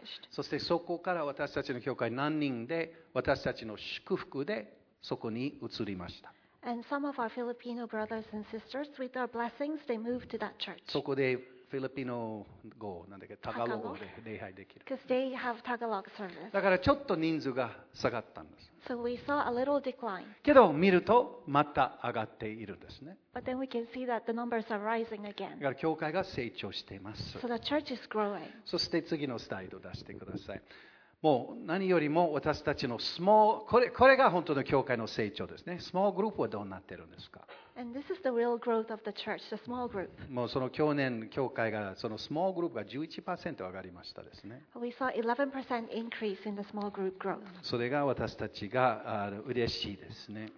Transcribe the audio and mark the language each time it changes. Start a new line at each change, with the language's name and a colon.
Japanese: そしてそこから私たちの教会何人で私たちの祝福でそこに移りました。
English: And some of our Filipino brothers and sisters, with their blessings, they moved to that church.
Japanese: そこでフィリピン語なんだっけ、タガロー語で礼拝できる。
English: Because they have Tagalog service.
Japanese: だからちょっと人数が下がったんです。
English: So we saw a little decline.
Japanese: けど見るとまた上がっているんですね。
English: But then we can see that the numbers are rising again.
Japanese: だから教会が成長しています。
English: So the church is growing.
Japanese: そして次のスライド出してください。もう何よりも私たちのスモー、これが本当の教会の成長ですね。スモーグループはどうなってるんですか？
English: And this is the real growth of the church, the small group.
Japanese: もうその去年教会がそのスモーグループが 11% 上がりましたですね。
English: We saw 11% increase in the small group growth.
Japanese: それが私たちが嬉しいですね。